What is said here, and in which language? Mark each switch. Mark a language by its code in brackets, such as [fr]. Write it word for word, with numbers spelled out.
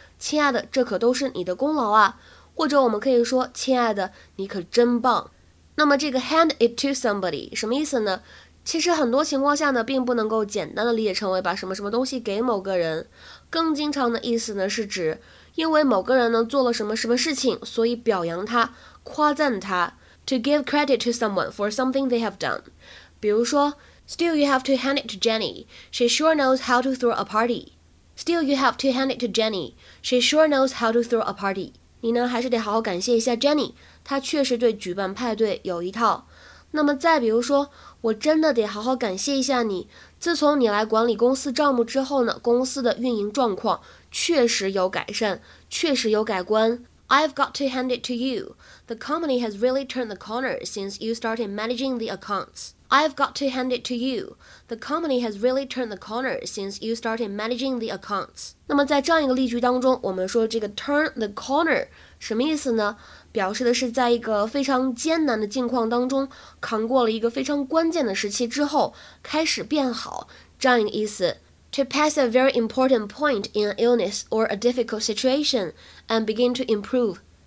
[zh] 亲爱的，这可都是你的功劳啊。或者我们可以说，亲爱的，你可真棒。那么这个 [en] hand it to somebody [zh] 什么意思呢？其实很多情况下呢，并不能够简单的理解成为把什么什么东西给某个人，更经常的意思呢是指，因为某个人呢做了什么什么事情，所以表扬他，夸赞他。 [en] To give credit to someone for something they have done。 [zh] 比如说 [en] ，Still you have to hand it to Jenny. She sure knows how to throw a party. Still you have to hand it to Jenny. She sure knows how to throw a party. [zh] 你呢还是得好好感谢一下 Jenny， 她确实对举办派对有一套。那么再比如说，我真的得好好感谢一下你，自从你来管理公司账目之后呢，公司的运营状况确实有改善，确实有改观。 [en] I've got to hand it to you. The company has really turned the corner since you started managing the accounts. I've got to hand it to you. The company has really turned the corner since you started managing the accounts. [zh] 那么在这样一个例句当中，我们说这个 [en] turn the corner [zh] 什么意思呢？表示的是在一个非常艰难的境况当中，扛过了一个非常关键的时期之后，开始变好，这样一个意思。 [en] To pass a very important point in an illness or a difficult situation and begin to improve.